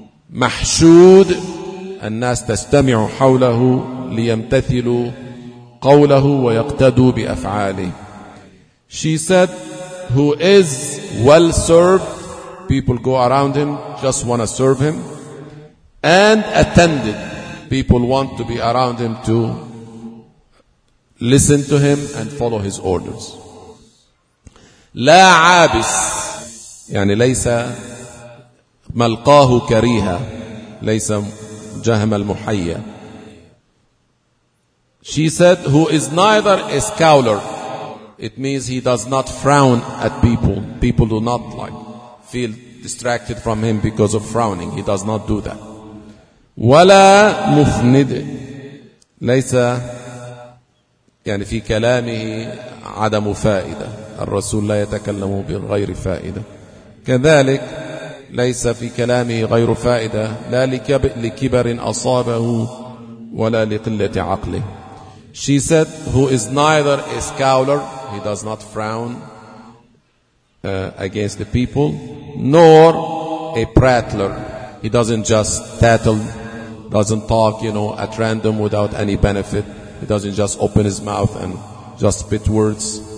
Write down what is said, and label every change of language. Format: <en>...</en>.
<ar>محشود الناس تستمع حوله ليمتثلوا قوله ويقتدوا بأفعاله.</ar> <en>She said, who is well served, people go around him, just want to serve him, and attended, people want to be around him to listen to him and follow his orders.</en> <ar>لا عابس يعني ليس ملقاه كريها ليس جهم المحيا.</ar> <en>She said, who is neither a scowler, it means he does not frown at people. People do not like, feel distracted from him because of frowning. He does not do that.</en> <ar>ولا مفند ليس يعني في كلامه عدم فائدة. الرسول لا يتكلم بغير فائدة. كذلك ليس في كلامه غير فائدة لا لكبر أصابه ولا لقلة عقله.</ar> <en>She said, who is neither a scowler, he does not frown against the people, nor a prattler, he doesn't just tattle, doesn't talk, you know, at random without any benefit. He doesn't just open his mouth and just spit words.</en>